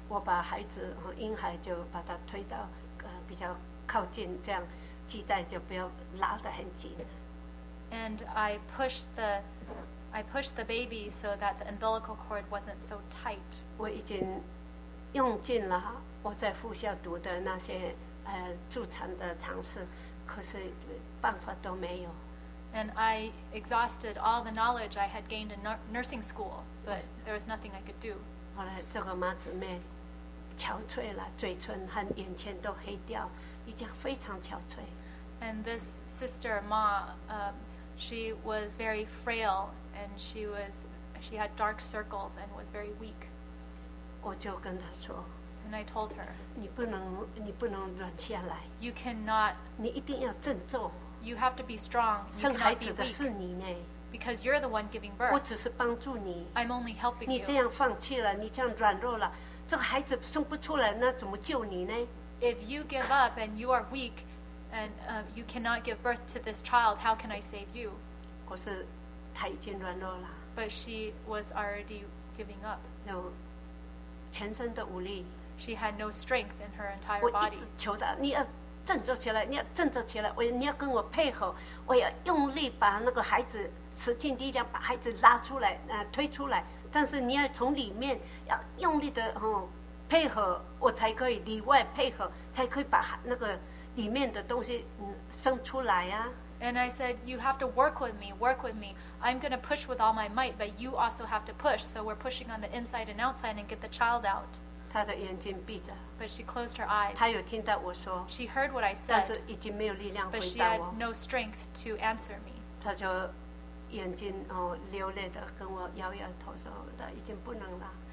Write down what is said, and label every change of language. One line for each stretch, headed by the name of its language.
Chinese: 我把孩子和婴孩就把它推到比较靠近，这样脐带就不要拉得很紧。
English: And I pushed the baby so that the umbilical cord wasn't so tight.
Chinese: 我已经用尽了我在附校读的那些助产的尝试，可是办法都没有。
English: And I exhausted all the knowledge I had gained in nursing school, but there was nothing I could do.
Chinese: 后来这个妈姊妹憔悴了，嘴唇和眼前都黑掉，已经非常憔悴。
English: And this sister, Ma, she was very frail, and she had dark circles and was very weak.
Chinese: 我就跟她说。
English: And I told her.
Chinese: 你不能软下来。
English: You cannot.
Chinese: 你一定要振作。
English: You have to be strong. You cannot be weak.
Chinese: 生孩子的是你呢。
English: Because you're the one giving birth.
Chinese: 我只是帮助你。
English: I'm only helping you.
Chinese: 你这样放弃了，你这样软弱了，这个孩子生不出来，那怎么救你呢？
English: If you give up and you are weak. And you cannot give birth to this child. How can I save you?
Chinese: 可是她已经软弱了。
English: But she was already giving up.
Chinese: 有全身的无力。
English: She had no strength in her entire body.
Chinese: 我一直求她，你要振作起来，你要振作起来，你要跟我配合，我要用力把那个孩子使尽力量把孩子拉出来，推出来。但是你要从里面要用力的配合，我才可以里外配合，才可以把那个。里面的东西生出来啊。
English: And I said, you have to work with me, work with me. I'm going to push with all my might, but you also have to push. So we're pushing on the inside and outside and get the child out.
Chinese: 她的眼睛闭着。
English: But she closed her eyes.
Chinese: 她有听到我说。
English: She heard what I said.
Chinese: 但是已经没有力量回答我。
English: But she had no strength to answer me.
Chinese: 她就眼睛流泪的跟我摇摇头说她已经不能了。